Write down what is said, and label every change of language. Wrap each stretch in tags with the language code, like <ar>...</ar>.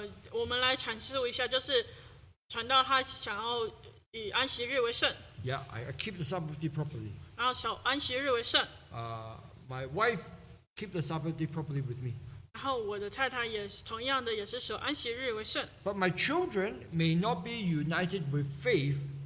<zh>我们来阐释一下，就是传道他想要以安息日为圣。</zh> <en>Yeah, I keep the Sabbath day properly.</en> <zh>然后小安息日为圣。</zh> <en>My wife keep the Sabbath day properly with me.</en> <zh>然后我的太太也同样的也是守安息日为圣。</zh> <en>But my children may not be united with faith.</en>